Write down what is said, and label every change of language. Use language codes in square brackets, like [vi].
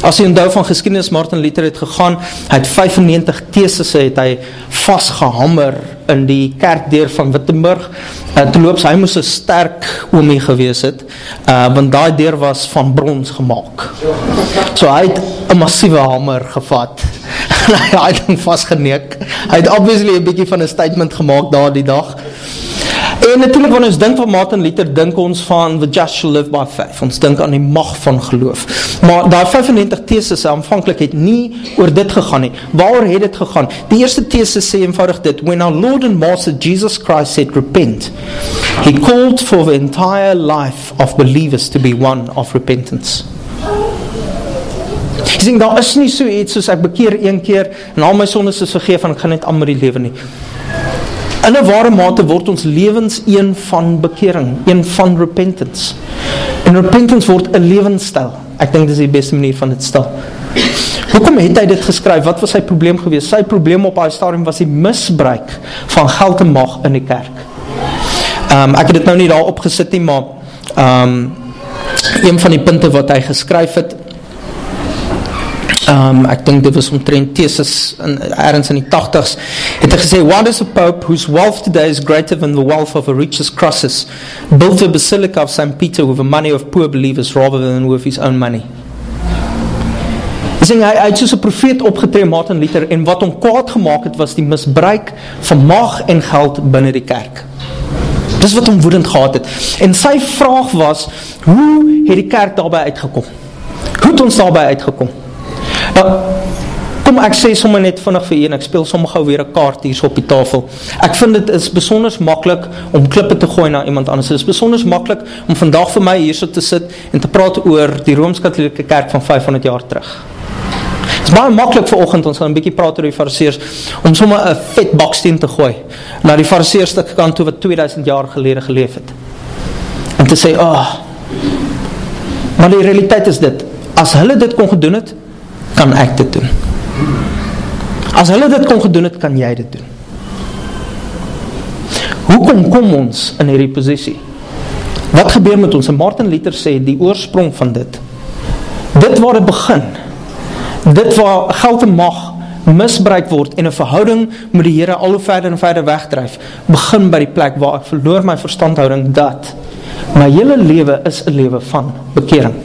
[af] As jy onthou van geskiedenis, Martin Luther het gegaan, hy het 95 theses het hy vasgehammer in die kerkdeur van Wittenberg. Terloops, hy moes 'n sterk oomie gewees het, want daai deur was van brons gemaak. So hy het 'n massiewe hamer gevat, en hy het hom vasgeneek. Hy het obviously 'n bietjie van 'n statement gemaak daardie dag. En natuurlijk, wanneer ons dink van Martin Luther, dink ons van [en] the just shall live by faith. [af] Ons dink aan die mag van geloof. Maar daar 95 theses aanvankelijk het nie oor dit gegaan nie. Waar het dit gegaan? Die eerste theses sê eenvoudig dit, [en] when our Lord and Master Jesus Christ said repent, he called for the entire life of believers to be one of repentance. [af] Jy sien, daar is nie so iets soos ek bekeer een keer en al my sondes is vergeef en ek gaan net aan met die lewe nie. In 'n ware mate word ons lewens een van bekering, een van repentance. En repentance word 'n lewensstyl. Ek dink dis die beste manier van dit stel. Hoekom het hy dit geskryf? Wat was sy probleem gewees? Sy probleem op haar stadium was die misbruik van geld en mag in die kerk. Ek het dit nou nie daar opgesit nie, maar een van die punte wat hy geskryf het, ek dink dit was omtrent theses in, ergens in die 80s, het hy gesê, [en] what is a pope whose wealth today is greater than the wealth of a richest Croesus, built a basilica of St. Peter with the money of poor believers rather than with his own money? [af] Hy het soos 'n profeet opgetree, Martin Luther, en wat hom kwaad gemaak het was die misbruik van mag en geld binne die kerk. Dis wat hom woedend gehad het. En sy vraag was, hoe het die kerk daarby uitgekom? Hoe het ons daarby uitgekom? Nou, kom ek sê sommer net vinnig vir een, ek speel sommer gou weer 'n kaart hier op die tafel. Ek vind dit is besonder maklik om klippe te gooi na iemand anders. Dit is besonder maklik om vandag vir my hierso te sit en te praat oor die Rooms-Katolieke Kerk van 500 jaar terug. Dit is baie maklik vir oggend, ons gaan 'n bietjie praat oor die fariseërs, om sommer 'n vet baksteen te gooi na die fariseërs se kant toe wat 2000 jaar gelede geleef het. En te sê, Maar die realiteit is dit, as hulle dit kon gedoen het, kan ek dit doen. As hulle dit kon gedoen het, kan jy dit doen. Hoekom kom ons in hierdie posisie? Wat gebeur met ons? En Martin Luther sê die oorsprong van dit, dit waar het begin, dit waar geld en mag misbruik word en een verhouding met die Here al hoe verder en verder wegdryf, begin by die plek waar ek verloor my verstandhouding dat my hele lewe is een lewe van bekering.